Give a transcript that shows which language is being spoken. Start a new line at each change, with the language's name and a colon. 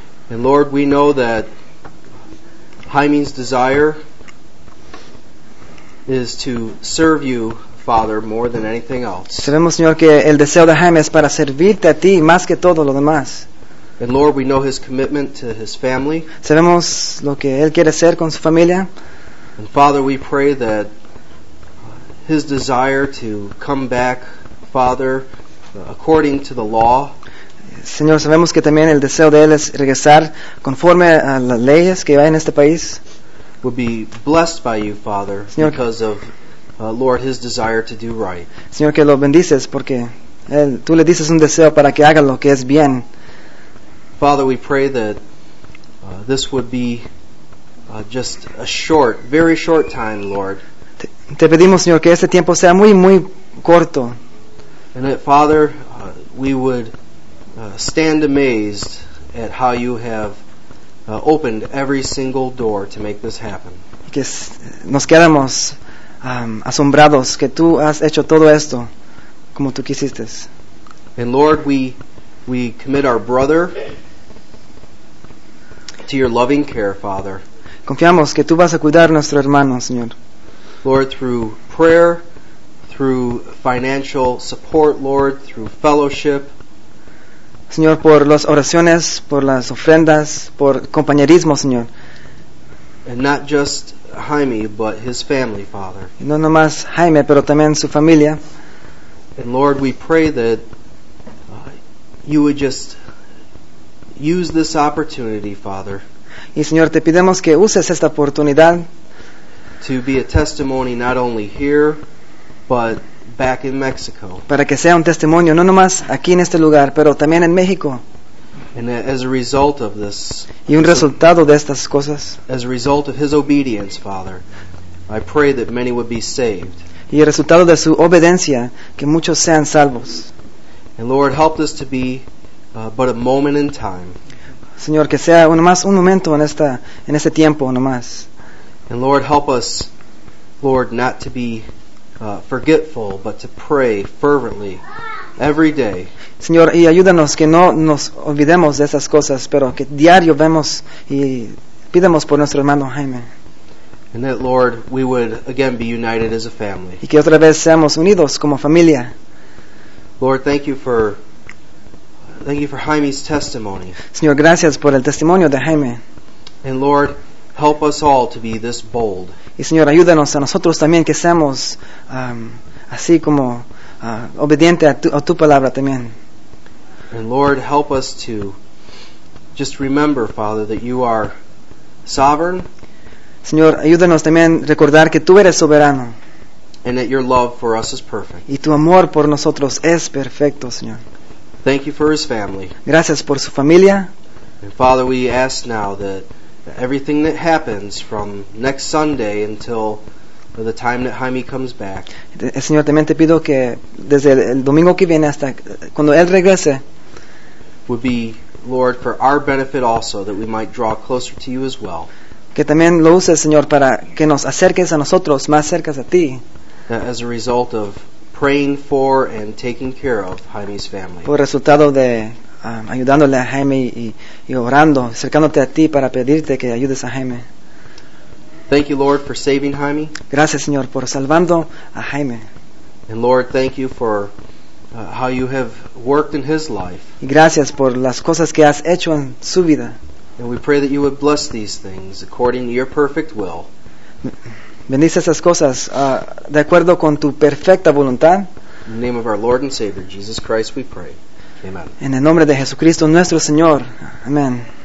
English: And Lord, we know that Jaime's desire is to serve you, Father, more than anything else.
Spanish: Sabemos, Señor, que el deseo de Jaime es para servirte a ti más que todo lo demás.
English: And Lord, we know his commitment to his family.
Spanish: Sabemos lo que él quiere hacer con su familia.
English: And Father, we pray that his desire to come back, Father, according to the law.
Spanish: Señor, sabemos que también el deseo de él es regresar conforme a las leyes que hay en este país.
English: Would be blessed by you, Father,
Spanish: Señor,
English: because of Lord, his desire to do right.
Spanish: Señor, que lo bendices porque él, tú le dices un deseo para que haga lo que es bien.
English: Father, we pray that this would be just a short, very short time, Lord.
Spanish: Te pedimos, Señor, que este tiempo sea muy, muy corto.
English: And that, Father, we would stand amazed at how you have opened every single door to make this happen.
Spanish: Que nos quedamos asombrados que tú has hecho todo esto como tú quisiste.
English: And Lord, we commit our brother to your loving care, Father.
Spanish: Confiamos que tú vas a cuidar a nuestro hermano, Señor.
English: Lord, through prayer, through financial support, Lord, through fellowship.
Spanish: Señor, por las oraciones, por las ofrendas, por compañerismo, Señor.
English: And not just Jaime, but his family, Father.
Spanish: Y no nomás Jaime, pero también su familia.
English: And Lord, we pray that you would just use this opportunity, Father.
Spanish: Y Señor, te pedimos que uses esta oportunidad
English: to be a testimony not only here, but back in Mexico.
Spanish: Para que sea un testimonio no nomás aquí en este lugar, pero también en México.
English: And as a result of this,
Spanish: y un resultado de estas cosas,
English: as a result of his obedience, Father, I pray that many would be saved.
Spanish: Y el resultado de su obediencia, que muchos sean salvos.
English: And Lord, help this to be but a moment in time.
Spanish: Señor, que sea nomás un momento en esta en este tiempo nomás.
English: And Lord, help us, Lord, not to be forgetful, but to pray fervently every day.
Spanish: Señor, y ayúdanos que no nos olvidemos de esas cosas, pero que diario vemos y pidamos por nuestro hermano Jaime.
English: And that, Lord, we would again be united as a family.
Spanish: Y que otra vez seamos unidos como familia.
English: Lord, thank you for Jaime's testimony.
Spanish: Señor, gracias por el testimonio de Jaime.
English: And Lord, help us all to be this bold.
Spanish: Y Señor, ayúdanos a nosotros también que seamos así como obediente a tu palabra también.
English: And Lord, help us to just remember, Father, that you are sovereign.
Spanish: Señor, ayúdanos también recordar que tú eres soberano.
English: And that your love for us is perfect.
Spanish: Y tu amor por nosotros es perfecto, Señor.
English: Thank you for his family.
Spanish: Gracias por su familia.
English: And Father, we ask now that everything that happens from next Sunday until the time that Jaime comes back.
Spanish: Señor, también te pido que desde el domingo que viene hasta cuando él regrese,
English: would be, Lord, for our benefit also, that we might draw closer to you as well.
Spanish: Que también lo uses, Señor, para que nos acerques a nosotros, más cerca a ti.
English: As a result of praying for and taking care of Jaime's family.
Spanish: Por resultado de ayudándole a Jaime y orando, acercándote a ti para pedirte que ayudes a Jaime.
English: Thank you, Lord, for saving Jaime.
Spanish: Gracias, Señor, por salvando a Jaime.
English: And Lord, thank you for how you have worked in his life.
Spanish: Y gracias por las cosas que has hecho en su vida.
English: And we pray that you would bless these things according to your perfect will.
Spanish: Bendice esas cosas de acuerdo con tu perfecta voluntad.
English: In the name of our Lord and Savior, Jesus Christ, we pray. Amen.
Spanish: En el nombre de Jesucristo, nuestro Señor. Amen.